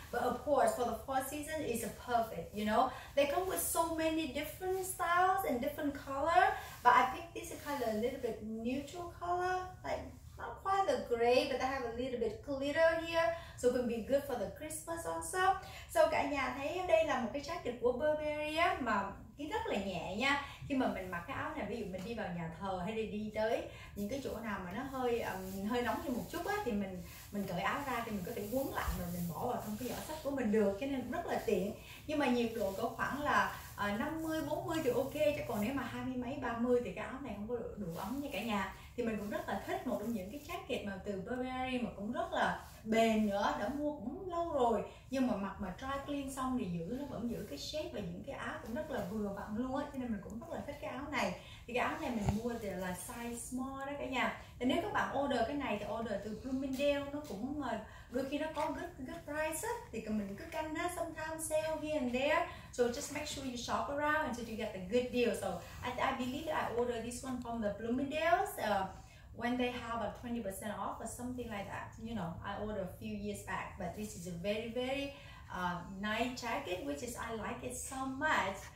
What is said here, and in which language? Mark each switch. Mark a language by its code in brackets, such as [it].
[en] But of course for the fall season it's a perfect, you know. They come with so many different styles and different color, but I picked this kind of a little bit neutral color, like not quite the gray, but they have a little bit glitter here, so it can be good for the Christmas also. [vi] So cả nhà thấy đây là một cái jacket của Burberry á, mà cái rất là nhẹ nha. Khi mà mình mặc cái áo này, ví dụ mình đi vào nhà thờ hay đi tới những cái chỗ nào mà nó hơi nóng như một chút á, thì mình cởi áo ra thì mình có thể quấn lại rồi mình bỏ vào trong cái giỏ sách của mình được, cho nên rất là tiện. Nhưng mà nhiệt độ có khoảng là 50-40 thì ok, chứ còn nếu mà 20-30 thì cái áo này không có đủ ấm nha cả nhà. Thì mình cũng rất là thích một trong những cái jacket mà từ Burberry mà cũng rất là bền nữa, đã mua cũng lâu rồi, nhưng mà mặc mà dry clean xong thì giữ nó vẫn giữ cái shape và những cái áo cũng rất là vừa vặn luôn á, cho nên mình cũng rất là thích cái áo này. Thì cái áo này mình mua thì là size small đó cả nhà. Thì nếu các bạn order cái này thì order từ Bloomingdale, nó cũng mà đôi khi nó có good price á, thì mình cứ canh nó [en] sometimes sale here and there. So just make sure you shop around until you get the good deal. So I believe that I ordered this one from the Bloomingdale's when they have a 20% off or something like that. You know, I ordered a few years back, but this is a very nice jacket, which is I like it so much.